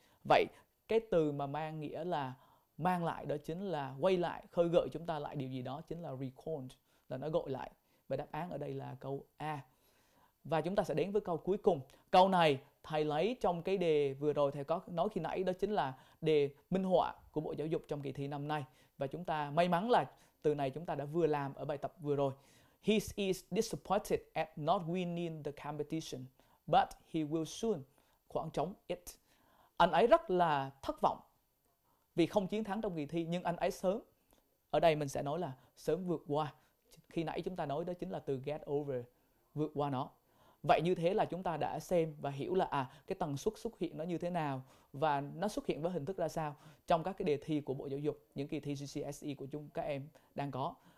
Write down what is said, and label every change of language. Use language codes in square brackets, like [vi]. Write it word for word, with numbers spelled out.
[vi] Vậy cái từ mà mang nghĩa là mang lại đó chính là quay lại, khơi gợi chúng ta lại điều gì đó chính là recall, là nó gợi lại. Và đáp án ở đây là câu A. Và chúng ta sẽ đến với câu cuối cùng. Câu này thầy lấy trong cái đề vừa rồi thầy có nói khi nãy, đó chính là đề minh họa của Bộ Giáo dục trong kỳ thi năm nay. Và chúng ta may mắn là từ này chúng ta đã vừa làm ở bài tập vừa rồi. [en] He is disappointed at not winning the competition, but he will soon, [vi] khoảng trống [en] it. [vi] Anh ấy rất là thất vọng vì không chiến thắng trong kỳ thi, nhưng anh ấy sớm, ở đây mình sẽ nói là sớm vượt qua. Khi nãy chúng ta nói đó chính là từ get over, vượt qua nó. Vậy như thế là chúng ta đã xem và hiểu là à, cái tần suất xuất hiện nó như thế nào và nó xuất hiện với hình thức ra sao trong các cái đề thi của Bộ Giáo dục, những kỳ thi G C S E của chúng các em đang có.